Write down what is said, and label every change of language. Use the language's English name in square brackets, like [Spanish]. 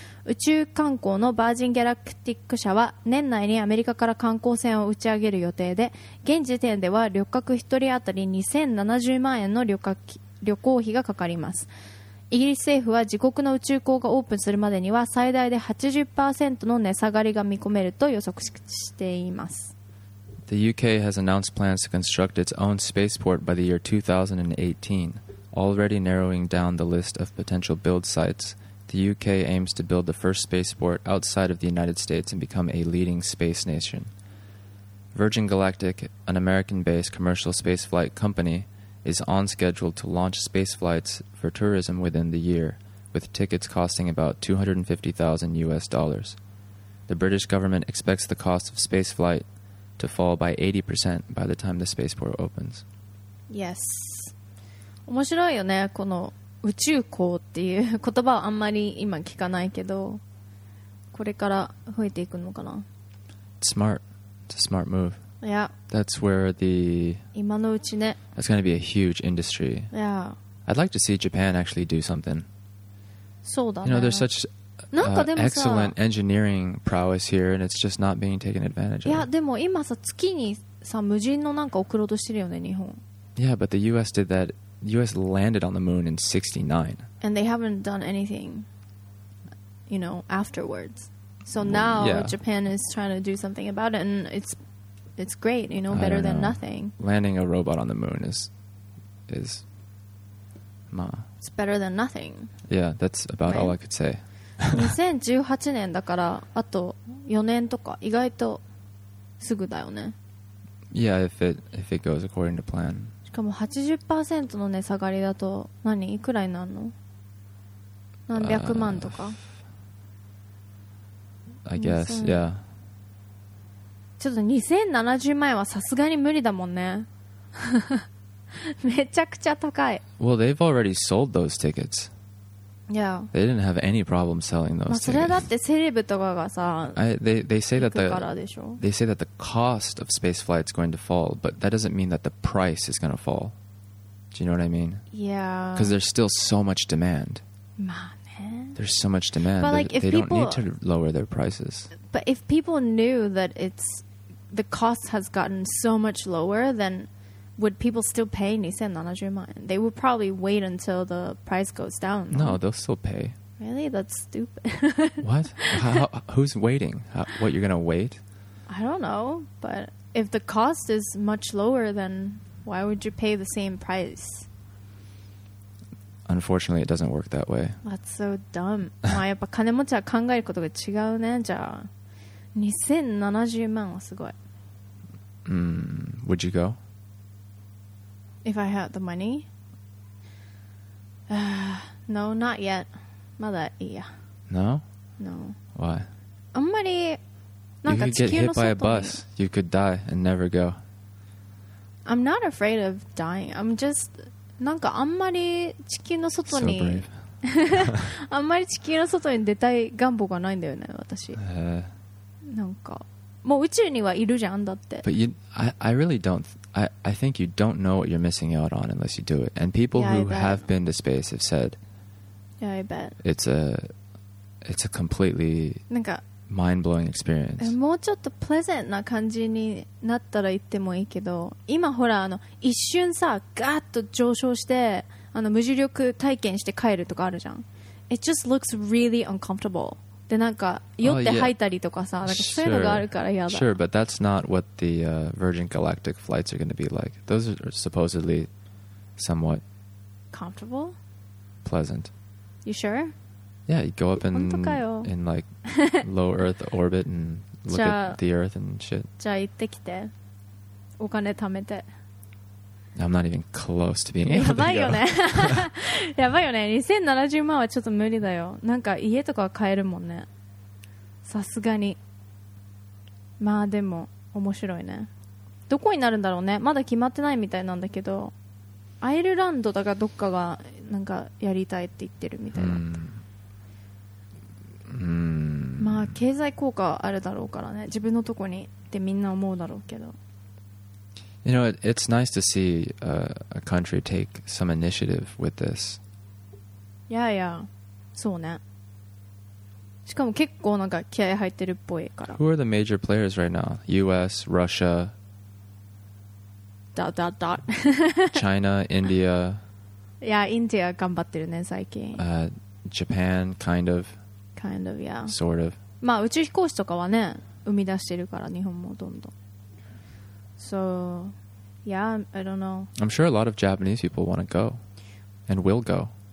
[Japanese] 宇宙観光のバージンギャラクティック社は年内にアメリカから観光船を打ち上げる予定で、現時点では旅客1人当たり2070万円の旅行費がかかります。イギリス政府は自国の宇宙港がオープンするまでには最大で 80% の値下がりが見込めると予測しています。 [English] The UK has announced plans to construct its own spaceport by the year 2018, already narrowing down the list of potential build sites. The UK aims to build the first spaceport outside of the United States and become a leading space nation. Virgin Galactic, an American-based commercial spaceflight company,is on schedule to launch space flights for tourism within the year, with tickets costing about $250,000. The British government expects the cost of space flight to fall by 80% by the time the spaceport opens. Yes. [Japanese] 面白いよね、この宇宙港っていう言葉をあんまり今聞かないけど、これから増えていくのかな? [English] Smart. It's a smart move. Yeah. That's where the... [Japanese] 今のうちね。 [English] That's going to be a huge industry. Yeah. I'd like to see Japan actually do something. [Japanese] そうだね。 [English] You know, there's such excellent engineering prowess here, and it's just not being taken advantage of. [Japanese] いや、でも今さ、月にさ、無人のなんか送ろうとしてるよね、日本。 [English] Yeah, but the US did that. The US landed on the moon in 69. And they haven't done anything, you know, afterwards. So now Japan is trying to do something about it, and it's great, you know, better than nothing. Landing a robot on the moon is it's better than nothing. Yeah, that's about all I could say. [Japanese] 2018年だからあと4年とか意外とすぐだよね。 [English] Yeah, if it goes according to plan. [Japanese] しかも 80% の値下がりだと何いくらになるの？何百万とか。 [English] I guess, yeah. [Japanese] ちょっと2070万円はさすがに無理だもんね。めちゃくちゃ高い。 [English] Well, they've already sold those tickets. Yeah. They didn't have any problem selling those tickets. [Japanese] それだってセレブとかがさ、 [English] They say that the cost of space flight is going to fall, but that doesn't mean that the price is going to fall. Do you know what I mean? Yeah. Because there's still so much demand. まあね。 There's so much demand. But like, they don't need to lower their prices. But if people knew that the cost has gotten so much lower, then would people still pay 2070万円? They would probably wait until the price goes down. No, they'll still pay. Really? That's stupid. What? Who's waiting? What, you're going to wait? I don't know. But if the cost is much lower, then why would you pay the same price? Unfortunately, it doesn't work that way. That's so dumb. [Japanese] まあやっぱ金持ちは考えることが違うね、じゃあ。 2070万はすごい。 [English] Would you go? If I had the money? No, not yet. [Japanese] まだいいや。 [English] No? No. Why? [Japanese] あんまり、なんか地球の外に。 [English] You could get hit by a bus. You could die and never go. I'm not afraid of dying. I'm just, [Japanese] なんかあんまり地球の外に。 [English] So brave. [Japanese] あんまり地球の外に出たい願望がないんだよね、私。なんかもう宇宙にはいるじゃんだって。 [English] But you, I really don't. I think you don't know what you're missing out on unless you do it. And people who have been to space have said, yeah, I bet. It's a completely mind blowing experience. [Japanese] もうちょっとプレゼントな感じになったら言ってもいいけど、今ほらあの一瞬さガーッと上昇してあの無重力体験して帰るとかあるじゃん。 [English] It just looks really uncomfortable. [Japanese] でなんか酔って吐いたりとかさ、なんかそういうのがあるから嫌だ。 [English] Sure, but that's not what the Virgin Galactic flights are going to be like. Those are supposedly somewhat comfortable. pleasant. You sure? Yeah, you go up in like low Earth orbit and look at the Earth and shit. [Japanese] じゃあ行ってきて。お金貯めて。 [English] I'm not even close to being able to go. [Japanese] やばいよね。やばいよね。 2070万はちょっと無理だよ。なんか家とかは買えるもんね。さすがに。まあでも面白いね。どこになるんだろうね。まだ決まってないみたいなんだけど、アイルランドだかどっかがなんかやりたいって言ってるみたいな。まあ経済効果あるだろうからね。自分のとこにってみんな思うだろうけど。 [English] You know, it's nice to see a country take some initiative with this. Yeah, yeah. [Japanese] そうね。しかも結構なんか気合い入ってるっぽいから。 [English] Who are the major players right now? U.S., Russia. Dot dot dot. China, India. Yeah, [Japanese] India 頑張ってるね最近。 [English] Japan, kind of. Kind of, yeah. Sort of. [Japanese] まあ宇宙飛行士とかはね、生み出してるから日本もどんどん。 [English] So, yeah, I don't know. I'm sure a lot of Japanese people want to go and will go.